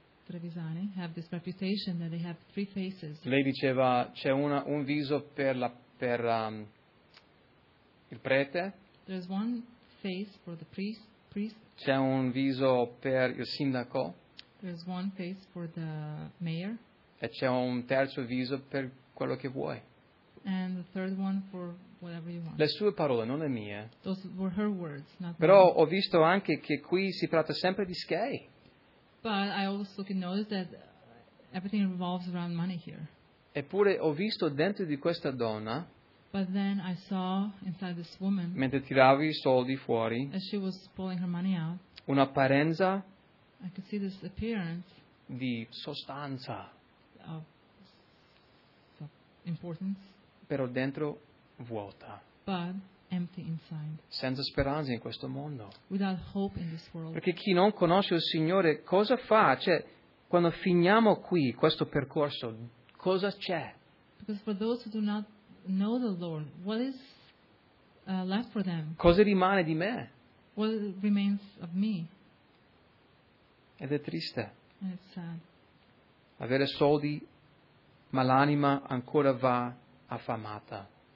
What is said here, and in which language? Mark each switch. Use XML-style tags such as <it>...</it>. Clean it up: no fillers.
<en>Trevisani have this reputation that they have three faces.</en> <it>Lei diceva c'è un viso per il prete.</it> <en>There's one face for the priest.</en> <it>C'è un viso per il sindaco.</it> <en>There's one face for the mayor.</en> <it>E c'è un terzo viso per quello che vuoi.</it> <en>And the third one for whatever you want.</en> <it>Le sue parole, non le mie.</it> <en>Those were her words, not</en> <it>però</it> <en>mine.</en> <it>Ho visto anche che qui si tratta sempre di schei.</it> <en>But I also can notice that everything revolves around money here.</en> <it>Eppure ho visto dentro di questa donna.</it> <en>But then I saw inside this woman.</en> <it>Mentre tirava i soldi fuori.</it> <en>As she was pulling her money out.</en> <it>Un'apparenza.</it> <en>I could see this appearance.</en> <it>Di sostanza.</it> <en>Of importance.</en> <it>Però dentro vuota.</it> <en>But empty inside.</en> <it>Senza speranza in questo mondo.</it> <en>Without hope in this world.</en> <it>Perché chi non conosce il Signore, cosa fa? Cioè, quando finiamo qui, questo percorso, cosa c'è?</it> <en>Because for those who do not know the Lord, what is left for them?</en> <it>Cosa rimane di me?</it> <en>What remains of me?</en> <it>Ed è triste.</it> <en>And it's sad.</en> <it>avere soldi, ma l'anima ancora va affamata.</it>